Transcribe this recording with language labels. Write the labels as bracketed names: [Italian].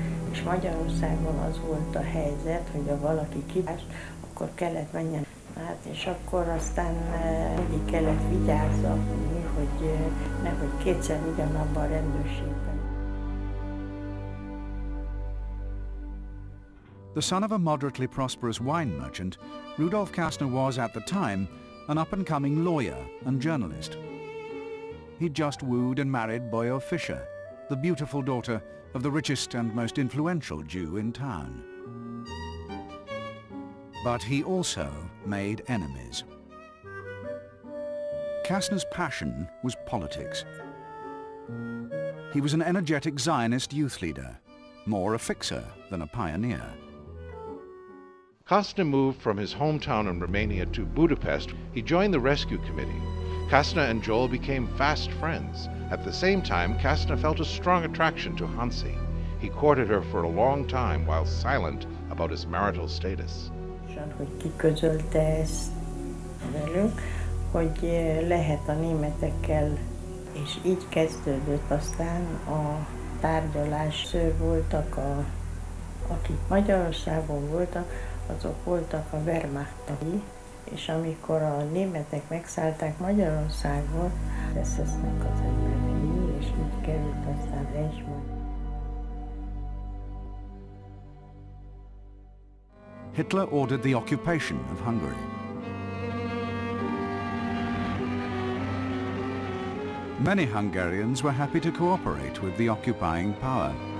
[Hungarian] És Magyarországon az volt a helyzet, hogy ha valaki kiás, akkor kellett menjen. Hát és akkor aztán mindig kellett vigyázni, hogy nehogy kétszer ugyanabban a rendőrségben. [English] The son of a moderately prosperous wine merchant, Rudolf Kasztner was at the time an up-and-coming lawyer and journalist. He'd just wooed and married Boyo Fischer, the beautiful daughter of the richest and most influential Jew in town. But he also made enemies. Kasztner's passion was politics. He was an energetic Zionist youth leader, more a fixer than a pioneer. Kasztner moved from his hometown in Romania to Budapest. He joined the rescue committee. Kasztner and Joel became fast friends. At the same time, Kasztner felt a strong attraction to Hansi. He courted her for a long time while silent about his marital status. [Hungarian] Hogy kiközölte ezt velünk, hogy lehet a németekkel, és így kezdődött aztán a tárgyalás. Voltak, akik Magyarországon voltak, azok voltak a Wehrmacht-tagjai, és amikor a németek megszállták Magyarországot, SS-nek az emberei, és így került aztán Eichmann. [English] Hitler ordered the occupation of Hungary. Many Hungarians were happy to cooperate with the occupying power.